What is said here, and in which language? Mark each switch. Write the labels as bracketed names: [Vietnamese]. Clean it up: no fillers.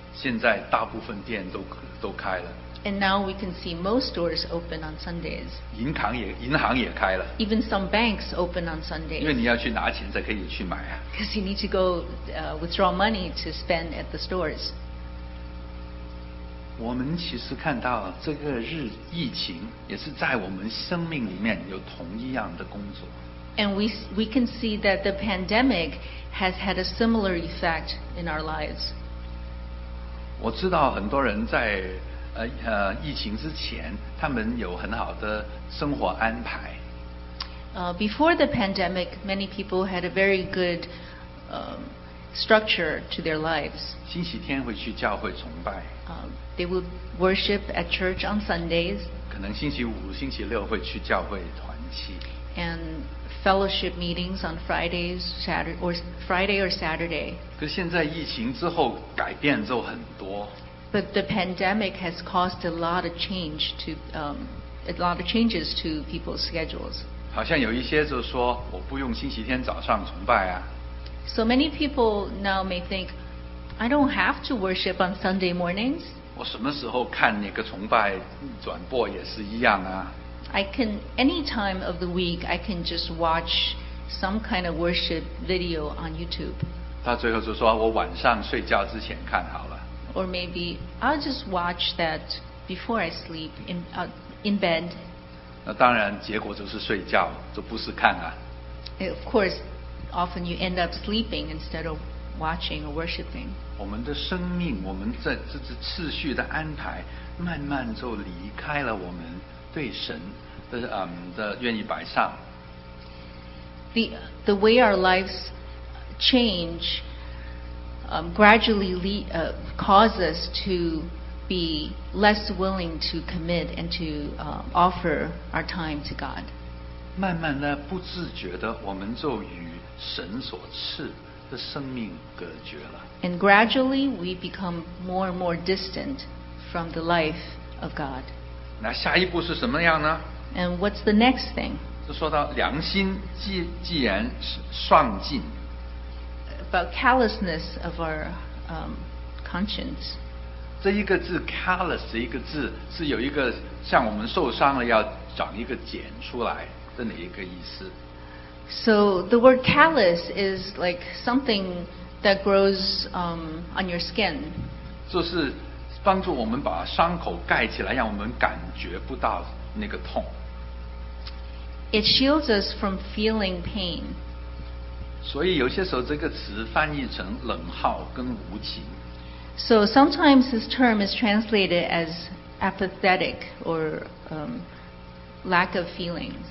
[Chinese] 现在大部分店都开了。 [English] And now we can see most stores open on Sundays. [Chinese] 银行也开了。 [English] Even some banks open on Sundays. [Chinese] 因为你要去拿钱才可以去买啊。 [English] Because you need to go withdraw money to spend at the stores. [Chinese] 我们其实看到这个疫情也是在我们生命里面有同一样的工作。 [English] And we can see that the pandemic has had a similar effect in our lives. [Chinese] 我知道很多人在疫情之前他们有很好的生活安排。 [English] Before the pandemic, many people had a very good structure to their lives. [Chinese] 星期天会去教会崇拜。 [English] They would worship at church on Sundays. [Chinese] 可能星期五、星期六会去教会团契。 [English] And fellowship meetings on Friday or Saturday. [Chinese] 可现在疫情之后改变就很多。 [English] But the pandemic has caused a lot of change to a lot of changes to people's schedules. [Chinese] 好像有一些就说我不用星期天早上崇拜啊。 [English] So many people now may think, I don't have to worship on Sunday mornings. [Chinese] 我什么时候看那个崇拜转播也是一样啊。 [English] I can any time of the week I can just watch some kind of worship video on YouTube. [Chinese] 到最后就说我晚上睡觉之前看好了。 [English] Or maybe I'll just watch that before I sleep in bed. [Chinese] 那当然，结果就是睡觉，就不是看啊。 [English] Of course, often you end up sleeping instead of watching or worshiping. [Chinese] 我们的生命，我们这次序的安排，慢慢就离开了我们对神的的愿意摆上。 [English] The way our lives change. Cause us to be less willing to commit and to offer our time to God. [Chinese] 慢慢的，不自觉的，我们就与神所赐的生命隔绝了。 [English] And gradually, we become more and more distant from the life of God. [Chinese] 那下一步是什么样呢？ [English] And what's the next thing? [Chinese] 就说到良心，既然丧尽。 [English] About callousness of our conscience. [Chinese] 这一个字 callous 这一个字是有一个像我们受伤了要长一个茧出来的哪一个意思？ [English] So the word callous is like something that grows on your skin. [Chinese] 就是帮助我们把伤口盖起来，让我们感觉不到那个痛。 [English] It shields us from feeling pain. [Chinese] 所以有些时候这个词翻译成冷酷跟无情。 [English] So sometimes this term is translated as apathetic or lack of feelings.